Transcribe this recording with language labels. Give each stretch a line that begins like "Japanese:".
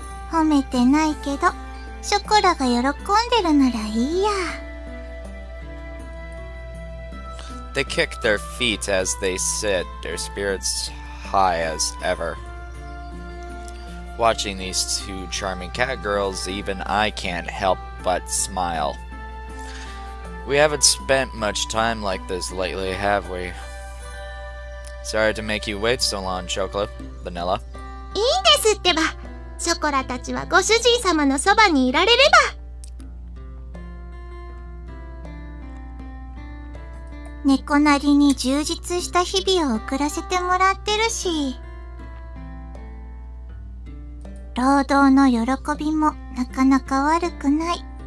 Japanese: 褒めてないけど、ショコラが喜んでるならいいや。
English: They kick their feet as they sit, their spirits high as ever. Watching these two charming cat girls, even I can't help but smile. We haven't spent much time like this lately, have we? Sorry to make you wait so long, Chocolate. Vanilla.
Japanese: いいですってば。ショコラたちはご主人様のそばにいられれば。猫なりに充実した日々を送らせてもらってるし、労働の喜びもなかなか悪くない。